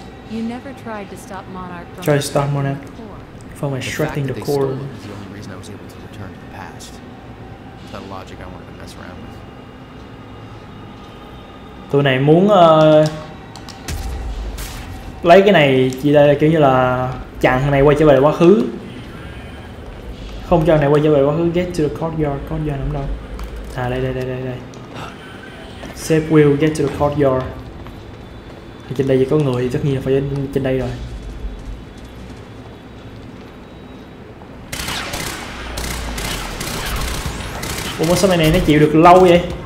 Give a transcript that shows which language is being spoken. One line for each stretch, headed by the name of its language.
English: You never tried to stop Monarch from try to stop Monarch from extracting the core. The fact that they stole it is the only reason I was able to return to the past. That logic I wanted to mess around with.
Vietnamese: Tụi này muốn lấy cái này chỉ là kiểu như là chặn thằng này quay trở về quá khứ. Không cho này quay trở về quá khứ.
English: Get to the courtyard. Courtyard
Vietnamese: nằm đâu? À đây.
English: Save Will, get to the courtyard.
Vietnamese: Trên đây thì có người thì tất nhiên là phải trên đây rồi. Ủa sao mày này nó chịu được lâu vậy?